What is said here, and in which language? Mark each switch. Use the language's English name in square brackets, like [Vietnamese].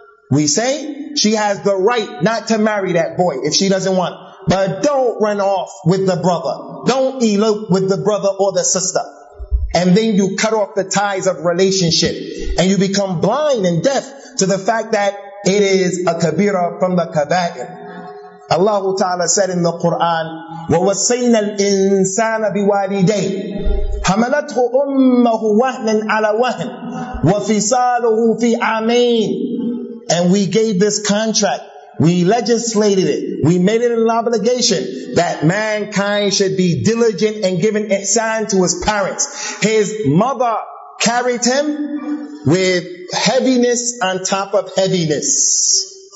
[English] We say she has the right not to marry that boy if she doesn't want. But don't run off with the brother. Don't elope with the brother or the sister. And then you cut off the ties of relationship. And you become blind and deaf to the fact that it is a kabira from the kabair. Allah Ta'ala said in the Quran, [Arabic] وَوَصَيْنَا الْإِنسَانَ بِوَالِدَيْهِ حَمَلَتْهُ أُمَّهُ وَهْنًا عَلَى وَهْنٍ وَفِصَالُهُ فِي عَامَيْنِ. [English] And we gave this contract. We legislated it. We made it an obligation that mankind should be diligent and giving ihsan to his parents. His mother carried him with heaviness on top of heaviness.